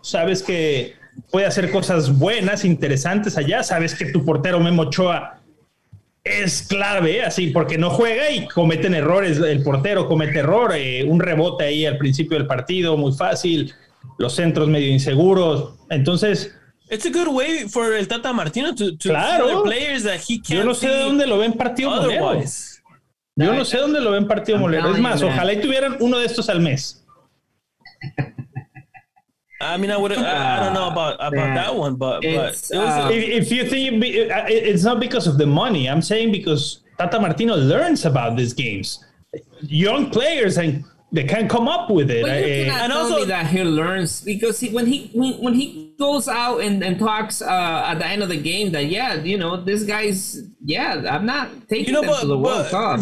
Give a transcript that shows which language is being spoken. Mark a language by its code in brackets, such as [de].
[es] Sabes que puede hacer cosas buenas, interesantes allá. Sabes que tu portero Memo Ochoa es clave, así, porque no juega y cometen errores. El portero comete error, un rebote ahí al principio del partido, muy fácil. Los centros medio inseguros. Entonces, [en] it's a good way for el Tata Martino to [es] claro, [en] see the players that he can't. [es] Yo no sé de dónde lo ven partido molero. Yo no sé dónde lo ven partido I'm molero. Es más, ojalá y tuvieran uno de estos al mes. [en] I mean, I don't know about that one, but if you think it's not because of the money, I'm saying because Tata Martino learns about these games, young players and they can't come up with it. But you cannot tell me that he learns, because when he goes out and talks at the end of the game that this guy's not taking them to the World Cup.